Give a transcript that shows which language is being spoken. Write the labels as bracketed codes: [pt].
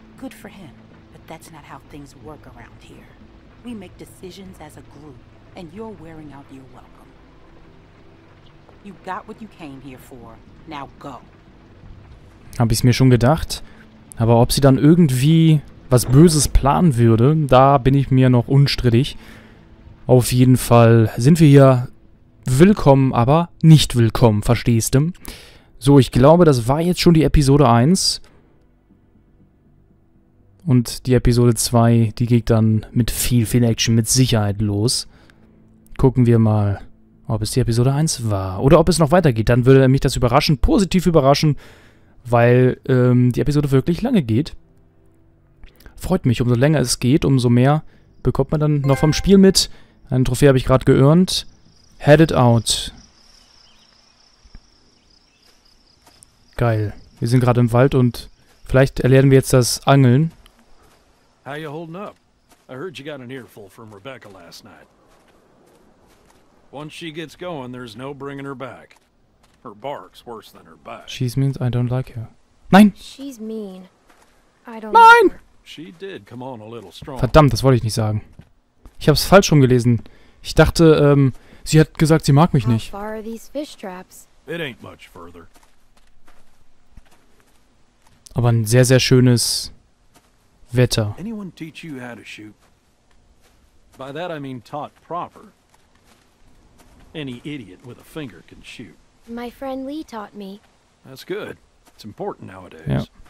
[en] Good for him, but that's not how things work around here. We make decisions as a group, and you're wearing out your welcome. You got what you came here for. Now go. [de] Hab ich's mir schon gedacht, aber ob sie dann irgendwie was Böses planen würde, da bin ich mir noch unstrittig. Auf jeden Fall sind wir hier willkommen, aber nicht willkommen, verstehst du? So, ich glaube, das war jetzt schon die Episode 1. Und die Episode 2, die geht dann mit viel, viel Action mit Sicherheit los. Gucken wir mal, ob es die Episode 1 war. Oder ob es noch weitergeht. Dann würde mich das überraschen, positiv überraschen, weil die Episode wirklich lange geht. Freut mich, umso länger es geht, umso mehr bekommt man dann noch vom Spiel mit. Eine Trophäe habe ich gerade geearnt. [en] Headed out. [de] Geil. Wir sind gerade im Wald und vielleicht erlernen wir jetzt das Angeln. [en] How you holding up? I heard you got an earful from Rebecca last night. Once she gets going, there's no bringing her back. Her bark's worse than her bite. She's mean, I don't like her. [de] Nein! [en] She's mean. I don't like her. She did come on a little strong. [de] Verdammt, das wollte ich nicht sagen. Ich hab's falsch rumgelesen. Ich dachte, sie hat gesagt, sie mag mich nicht. [en] How far are these fish traps? It ain't much further. [de] Aber ein sehr, sehr schönes... Wetter. [en] Anyone teach you how to shoot? By that I mean taught proper. Any idiot with a finger can shoot. My friend Lee taught me. That's good. It's important nowadays. [de] Ja.